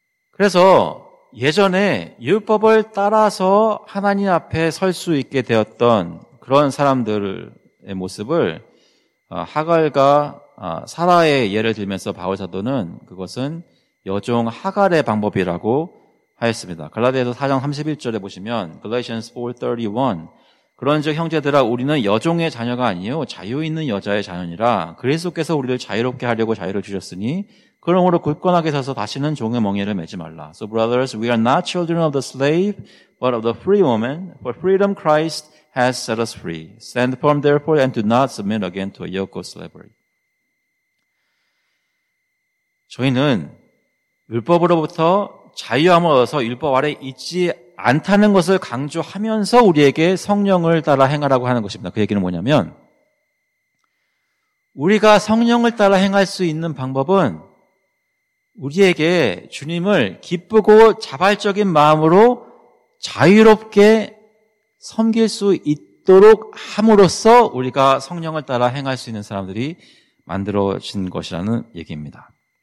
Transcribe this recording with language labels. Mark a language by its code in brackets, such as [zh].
[ko] 그래서 예전에 율법을 따라서 하나님 앞에 설 수 있게 되었던 그런 사람들의 모습을 하갈과 사라의 예를 들면서 바울 사도는 그것은 여종 하갈의 방법이라고 하였습니다. 갈라디아서 4장 31절에 보시면 Galatians 4:31 그런즉 형제들아 우리는 여종의 자녀가 아니요 자유 있는 여자의 자녀니라 그리스도께서 우리를 자유롭게 하려고 자유를 주셨으니 그러므로 굳건하게 서서 다시는 종의 멍에를 매지 말라. [en] So brothers, we are not children of the slave, but of the free woman. For freedom Christ has set us free. Stand firm therefore and do not submit again to a yoke of slavery. [ko] 저희는 율법으로부터 자유함을 얻어서 율법 아래 있지 않다는 것을 강조하면서 우리에게 성령을 따라 행하라고 하는 것입니다. 그 얘기는 뭐냐면 우리가 성령을 따라 행할 수 있는 방법은 우리에게 주님을 기쁘고 자발적인 마음으로 자유롭게 섬길 수 있도록 함으로써 우리가 성령을 따라 행할 수 있는 사람들이 만들어진 것이라는 얘기입니다.